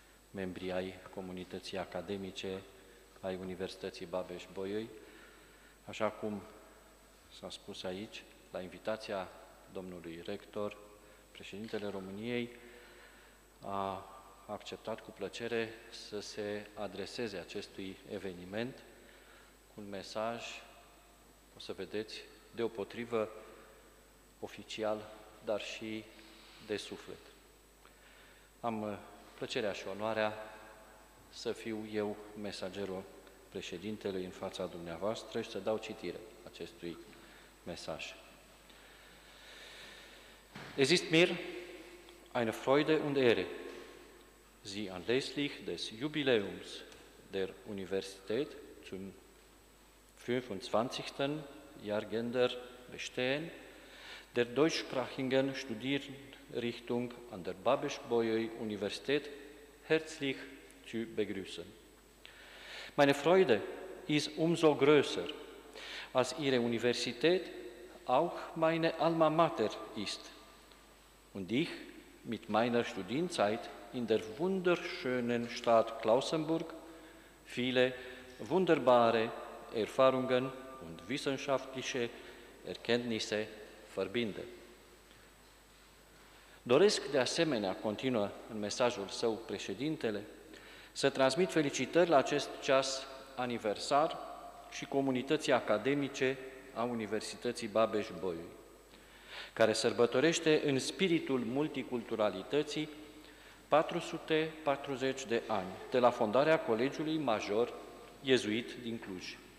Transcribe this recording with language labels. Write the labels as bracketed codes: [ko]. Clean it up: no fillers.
[ro] membri ai comunității academice ai Universității Babeș-Bolyai, așa cum s-a spus aici, la invitația domnului rector, președintele României a acceptat cu plăcere să se adreseze acestui eveniment cu un mesaj, o să vedeți, deopotrivă oficial, dar și de suflet. Am plăcerea și onoarea să fiu eu mesagerul președintelui în fața dumneavoastră și să dau citire acestui mesaj. [de] Es ist mir eine Freude und Ehre, Sie anlässlich des Jubiläums der Universität zum 25. Jahrgender bestehen, der deutschsprachigen Studierrichtung an der Babeș-Bolyai-Universität herzlich zu begrüßen. Meine Freude ist umso größer, als Ihre Universität auch meine Alma Mater ist und ich mit meiner Studienzeit in der wunderschönen Stadt Klausenburg viele wunderbare Erfahrungen und wissenschaftliche Erkenntnisse verbinde. [ro] Doresc de asemenea, continuă în mesajul său președintele, să transmit felicitări la acest ceas aniversar și comunității academice a Universității Babeș-Bolyai, care sărbătorește în spiritul multiculturalității 440 de ani de la fondarea Colegiului Major Iezuit din Cluj.